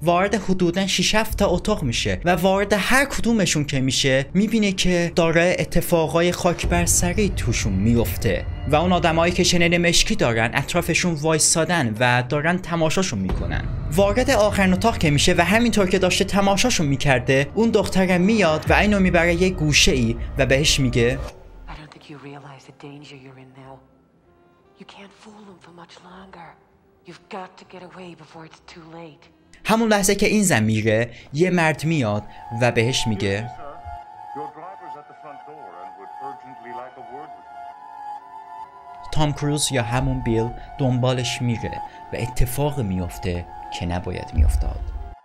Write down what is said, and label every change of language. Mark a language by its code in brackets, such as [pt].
[fa] وارد حدوداً 6-7 تا اتاق میشه و وارد هر کدومشون که میشه میبینه که داره اتفاقای خاک بر سری توشون میفته و اون آدمایی که شنل مشکی دارن اطرافشون وایستادن و دارن تماشاشون میکنن. وارد آخرین اتاق که میشه و همینطور که داشته تماشاشون میکرده اون دختره میاد و اینو میبره یه گوشه ای و بهش میگه [en] You realize the danger you're in now. You can't fool them for much longer. You've got to get away before it's too late. [fa] همون لحظه که این زن میره یه مرد میاد و بهش میگه تام کروز یا همون بیل دنبالش میره و اتفاق میفته که نباید میافتاد.